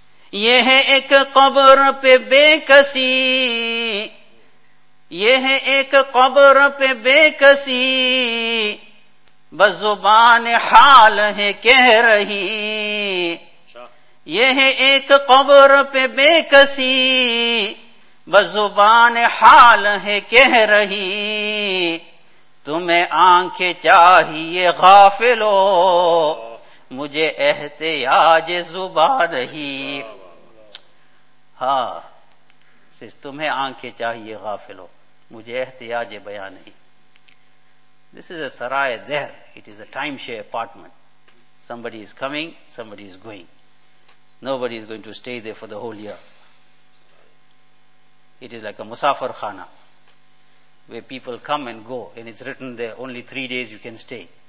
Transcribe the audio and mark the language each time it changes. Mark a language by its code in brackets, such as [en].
[ur] Ye hai ek qabr pe bekasi, ye hai ek qabr pe bekasi, bas zuban haal hai keh rahi. Ye hai ek qabr pe bekasi, بس زبان حال ہے کہہ رہی. تمہیں آنکھیں چاہیے غافلو مجھے احتیاج زبان ہی. ہاں تمہیں آنکھیں چاہیے غافلو مجھے احتیاج بیان نہیں. [en] This is a [ur] Sarai Dahir. [en] It is a timeshare apartment. Somebody is coming, somebody is going. Nobody is going to stay there for the whole year. It is like a musafir khana, where people come and go, and it's written there, only 3 days you can stay.